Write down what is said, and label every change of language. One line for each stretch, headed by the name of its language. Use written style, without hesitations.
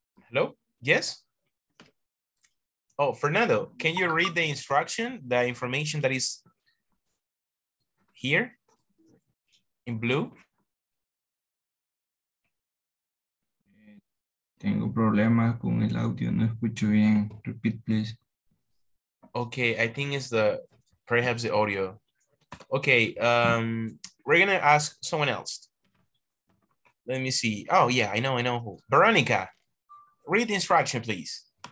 English: Hello? Yes? Oh, Fernando, can you read the instruction, the information that is here in blue?
Spanish: Tengo problemas con el audio, no escucho bien.
English: Repeat, please. Okay, I think it's the, perhaps the audio. Okay, we're gonna ask someone else. Let me see. Oh yeah, I know who. Veronica, read the instruction, please.